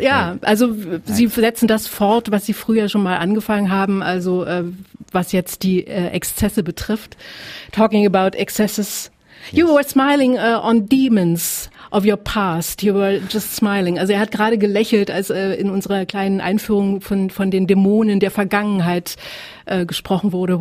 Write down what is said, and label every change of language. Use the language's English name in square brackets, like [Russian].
[German] Ja, also sie setzen das fort, was sie früher schon mal angefangen haben, also was jetzt die Exzesse betrifft. [English] Talking about excesses. You were smiling on demons of your past. You were just smiling. [German] Also er hat gerade gelächelt, als in unserer kleinen Einführung von den Dämonen der Vergangenheit gesprochen wurde.